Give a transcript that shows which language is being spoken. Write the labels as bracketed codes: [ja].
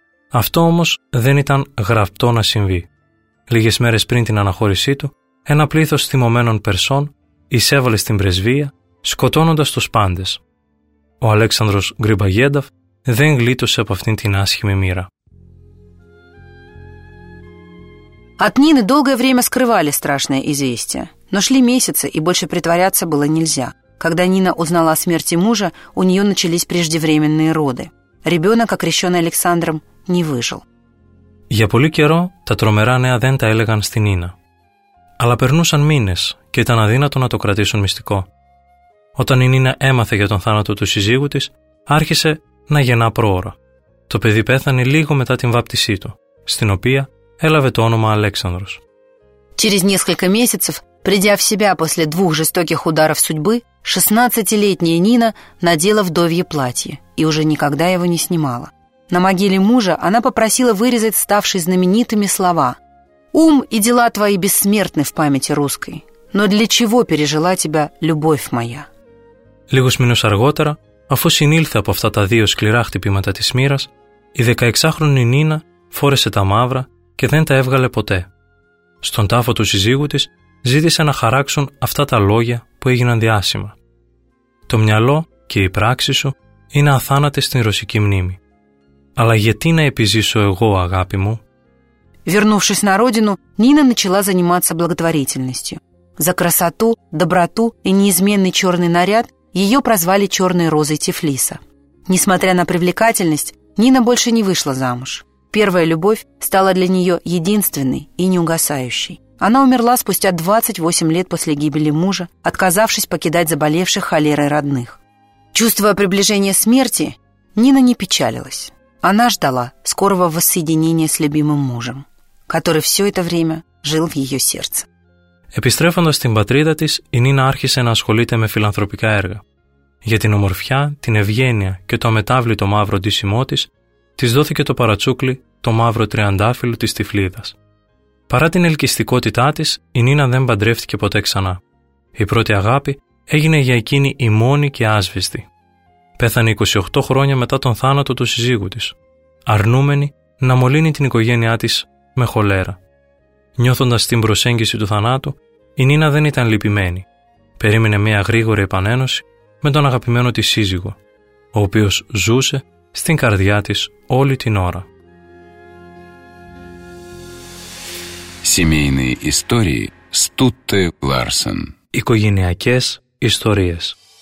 [el] Αυτό όμως δεν ήταν γραπτό να συμβεί. Λίγες μέρες πριν την αναχώρησή του, ένα πλήθος θυμωμένων Περσών εισέβαλε στην πρεσβεία, σκοτώνοντας τους πάντες. Ο Αλέξανδρος Γκριμπαγιένταφ δεν γλίτωσε από αυτήν την άσχημη μοίρα. [ru] От Нины долгое время скрывали страшное известие. Но шли месяцы, и больше притворяться было нельзя. Когда Нина узнала о смерти мужа, у нее начались преждевременные роды. Ребенок, окрещенный Александром, не выжил. [el] Για πολύ καιρό τα τρομερά νέα δεν τα έλεγαν στην Νίνα. Αλλά περνούσαν μήνες και ήταν αδύνατο να το κρατήσουν μυστικό. Όταν η Νίνα έμαθε για τον θάνατο του σύζυγου της, άρχισε να γεννά πρόωρα. Το παιδί πέθανε λίγο μετά την βάπτισή του, στην οποία έλαβε το όνομα Αλέξανδρος. [ru] Через несколько месяцев, придя в себя после двух жестоких ударов судьбы, 16-летняя Нина надела вдовье платье и уже никогда его не снимала. На могиле мужа она попросила вырезать ставшие знаменитыми слова: «Ум и дела твои бессмертны в памяти русской, но для чего пережила тебя любовь моя?» [el] Λίγους μήνους αργότερα, αφού συνήλθε από αυτά τα δύο σκληρά χτυπήματα της μοίρας, η 16χρονη Νίνα φόρεσε τα μαύρα και δεν τα έβγαλε ποτέ. Στον τάφο του συζύγου της ζήτησε να χαράξουν αυτά τα λόγια που έγιναν διάσημα. «Το μυαλό και η πράξη σου είναι αθάνατες στην ρωσική μνήμη. Αλλά γιατί να επιζήσω εγώ, αγάπη μου?» [ru] Вернувшись на родину, Нина начала заниматься благотворительностью. За красоту, доброту и неизменный черный наряд ее прозвали «Черной розой Тифлиса». Несмотря на привлекательность, Нина больше не вышла замуж. Первая любовь стала для нее единственной и неугасающей. Она умерла спустя 28 лет после гибели мужа, отказавшись покидать заболевших холерой родных. Чувствуя приближение смерти, Нина не печалилась. Она ждала скорого воссоединения с любимым мужем, который все это время жил в ее сердце. [el] Επιστρέφοντας στην πατρίδα της, η Νίνα άρχισε να ασχολείται με φιλανθρωπικά έργα. Για την ομορφιά, την ευγένεια και το αμετάβλητο μαύρο ντύσιμό της δόθηκε το παρατσούκλι, το μαύρο τριαντάφυλλο της Τυφλίδας. Παρά την ελκυστικότητά της, η Νίνα δεν παντρεύτηκε ποτέ ξανά. Η πρώτη αγάπη έγινε για εκείνη η μόνη και άσβηστη. Πέθανε 28 χρόνια μετά τον θάνατο του συζύγου της, αρνούμενη να μολύνει την οικογένειά της με χολέρα. Νιώθοντας την προσέγγιση του θανάτου, η Νίνα δεν ήταν λυπημένη. Περίμενε μια γρήγορη επανένωση με τον αγαπημένο της σύζυγο, ο οποίος ζούσε στην καρδιά της όλη την ώρα. [ru] Семейные истории Стутте Ларсен. [el] Οικογενειακές ιστορίες.